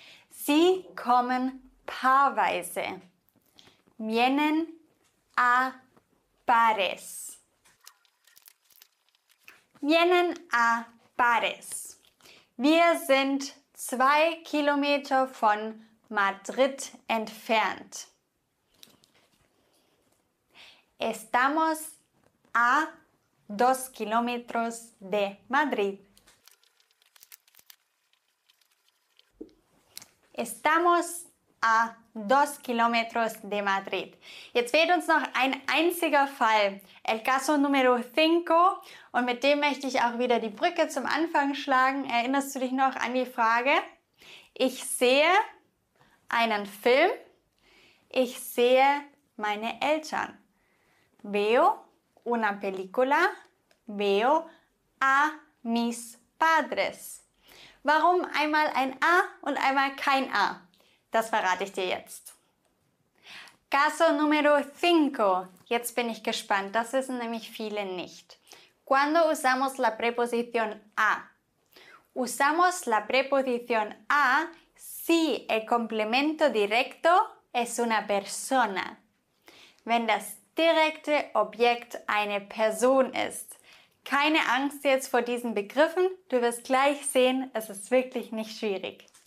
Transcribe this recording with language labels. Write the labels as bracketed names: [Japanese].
[German] Sie kommen paarweise. [Spanish] Vienen a pares. Vienen a pares. [German] Wir sind 2 Kilometer von Madrid entfernt. [Spanish] Estamos a 2 kilómetros de Madrid. Estamos a 2 kilómetros de Madrid. [German] Jetzt fehlt uns noch ein einziger Fall, [Spanish] el caso número 5. [German] Und mit dem möchte ich auch wieder die Brücke zum Anfang schlagen. Erinnerst du dich noch an die Frage? Ich sehe einen Film. Ich sehe meine Eltern. [Spanish] Veo una película. Veo a mis padres. [German] Warum einmal ein A und einmal kein A? Das verrate ich dir jetzt. [Spanish] Caso número 5. [German] Jetzt bin ich gespannt. Das wissen nämlich viele nicht. [Spanish] ¿Cuándo usamos la preposición a? Usamos la preposición a si el complemento directo es una persona. [German] Wenn das direkte Objekt eine Person ist. Keine Angst jetzt vor diesen Begriffen. Du wirst gleich sehen, es ist wirklich nicht schwierig.